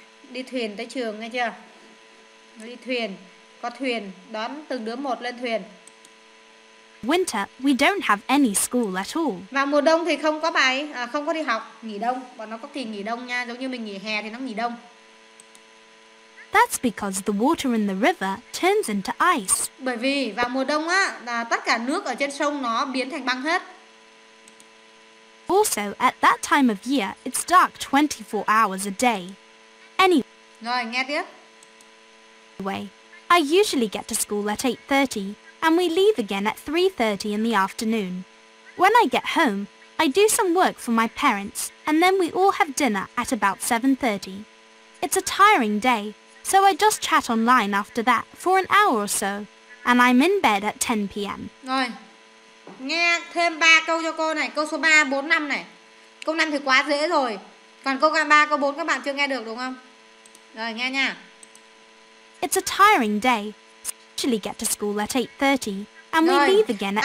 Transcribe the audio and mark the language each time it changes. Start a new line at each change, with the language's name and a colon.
Vietnamese: Đi thuyền tới trường nghe chưa? Đi thuyền, có thuyền, đón từng đứa một lên thuyền.
English: Winter, we don't have any school at all.
Vietnamese: Vào mùa đông thì không có bài, không có đi học, nghỉ đông. Bọn nó có kỳ nghỉ đông nha, giống như mình nghỉ hè thì nó nghỉ đông.
English: That's because the water in the river turns into ice.
Vietnamese: Bởi vì vào mùa đông á, là tất cả nước ở trên sông nó biến thành băng hết.
English: Also, at that time of year, it's dark 24 hours a day.
Vietnamese: Rồi, nghe tiếp.
English: Anyway, I usually get to school at 8:30 and we leave again at 3:30 in the afternoon. When I get home, I do some work for my parents and then we all have dinner at about 7:30. It's a tiring day, so I just chat online after that for an hour or so and I'm in bed at 10 p.m.
Vietnamese: Rồi. Nghe thêm 3 câu cho cô này, câu số 3, 4, 5 này. Câu 5 thì quá dễ rồi. Còn câu 3, câu 4 các bạn chưa nghe được đúng không? Rồi nghe nha.
English: It's a tiring day. I usually get to school at 8:30 and
Vietnamese: rồi,
English: we leave again at